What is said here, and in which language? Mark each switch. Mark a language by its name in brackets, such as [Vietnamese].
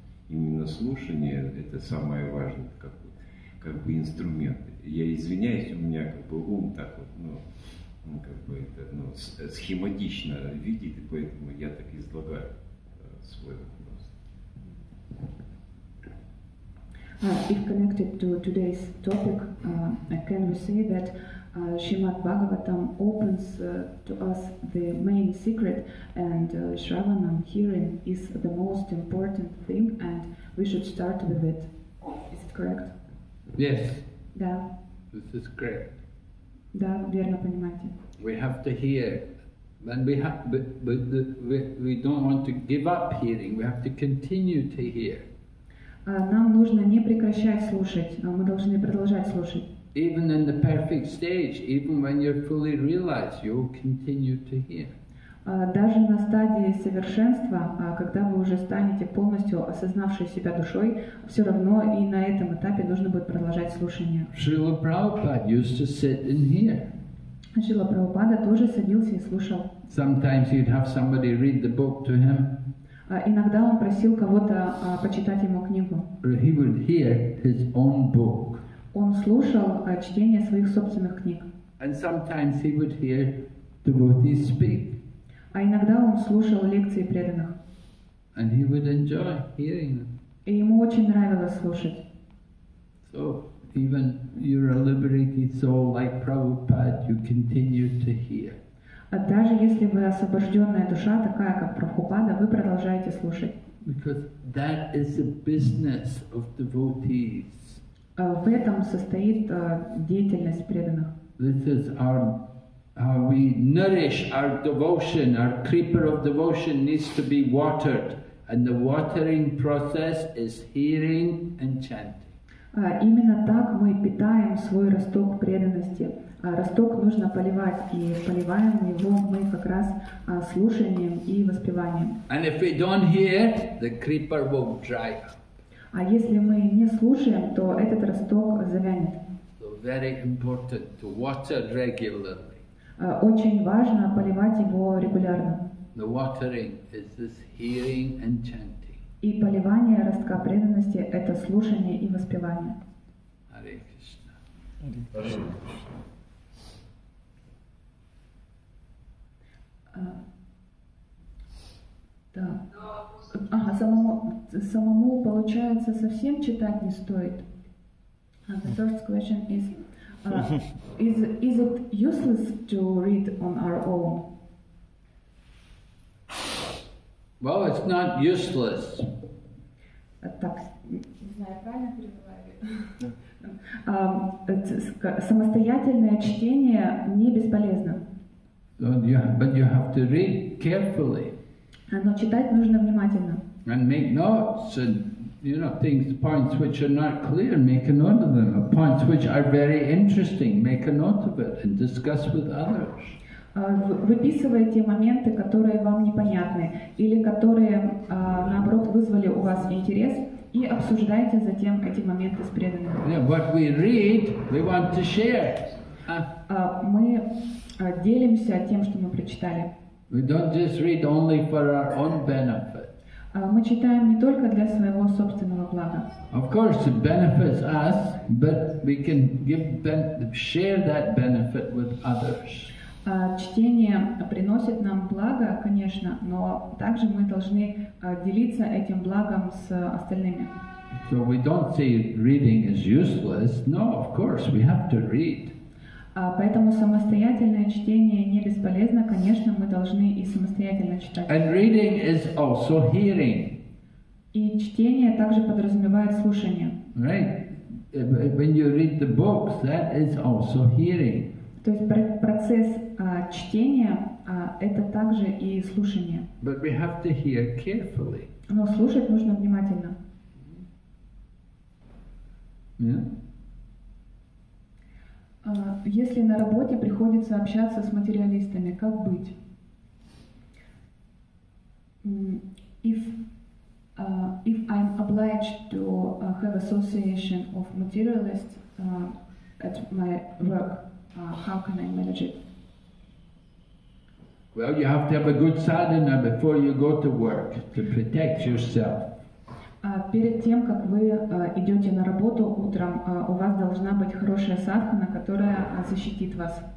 [Russian] Именно слушание это самое важное, как бы инструмент. Я извиняюсь, у меня как бы ум так вот, схематично видит, и поэтому я так излагаю свой вопрос. [English] If connected to today's topic, can we say that Srimad Bhagavatam opens to us the main secret, and Shravanam hearing is the most important thing, and we should start with it. Is it correct? Yes. [Russian] Да. [English] This is correct. [Russian] Да, верно понимаете. [English] We have to hear, and we don't want to give up hearing. We have to continue to hear. [Russian] Нам нужно не прекращать слушать, мы должны продолжать слушать. [English] Even in the perfect stage, even when you're fully realized, you'll continue to hear. [Russian] Даже на стадии совершенства, когда вы уже станете полностью осознавшей себя душой, все равно и на этом этапе нужно будет продолжать слушание. [English] Шрила Прабхупада used to sit and hear. [Russian] Шрила Прабхупада тоже садился и слушал. [English] Sometimes he'd have somebody read the book to him. [Russian] Иногда он просил кого-то почитать ему книгу. [English] He would hear his own book. [Russian] Он слушал чтение своих собственных книг. [English] And sometimes he would hear devotees speak. [Russian] А иногда он слушал лекции преданных. [English] And he would enjoy hearing them. [Russian] И ему очень нравилось слушать. [English] So, even you're a liberated soul like Prabhupada, you continue to hear. [Russian] А даже если вы освобожденная душа, такая как Прабхупада, вы продолжаете слушать. [English] Because that is the business of devotees. [Russian] В этом состоит деятельность преданных. [English] This is our we nourish our devotion, our creeper of devotion needs to be watered, and the watering process is hearing and chanting. [Russian] Именно так мы питаем свой росток преданности. Росток нужно поливать, и поливаем его мы как раз слушанием и воспеванием. [English] And if we don't hear, the creeper will dry up. [Russian] А если мы не слушаем, то этот росток завянет. [English] So very important to water regularly. [Russian] Очень важно поливать его регулярно. [English] The watering is this hearing and chanting. [Russian] И поливание ростка преданности – это слушание и воспевание. [English] Hare Krishna. [Russian] Да. Ага, самому получается совсем читать не стоит. [English] The first question is. Is it useless to read on our own? Well, it's not useless. [Russian] Так, не знаю, правильно перевожу. Самостоятельное чтение не бесполезно. [English] But you have to read carefully. [Russian] Но читать нужно внимательно. [English] And make notes and. You know, things, points which are not clear, make a note of them. Points which are very interesting, make a note of it and discuss with others. [Russian] Выписывайте моменты, которые вам непонятны, или которые, наоборот, вызвали у вас интерес, и обсуждайте затем эти моменты с преданными. [English] Yeah, what we read, we want to share. [Russian] Мы делимся тем, что мы прочитали. [English] We don't just read only for our own benefit. [Russian] Мы читаем не только для своего собственного блага. [English] Of course, it benefits us, but we can share that benefit with others. [Russian] Чтение приносит нам благо, конечно, но также мы должны делиться этим благом с остальными. [English] So we don't say reading is useless. No, of course, we have to read. [Russian] Поэтому самостоятельное чтение не бесполезно, конечно, мы должны и самостоятельно читать. [English] And reading is also hearing. [Russian] И чтение также подразумевает слушание. [English] Right. When you read the books, that is also hearing. [Russian] То есть процесс чтения это также и слушание. [English] But we have to hear carefully. [Russian] Но слушать нужно внимательно. [English] Yeah. [Russian] Если на работе приходится общаться с материалистами, как быть? [English] If I'm obliged to have association of materialists at my work, how can I manage it? Well, you have to have a good sadhana before you go to work to protect yourself. [Russian] Перед тем, как вы идете на работу утром, у вас должна быть хорошая садхана, которая защитит вас.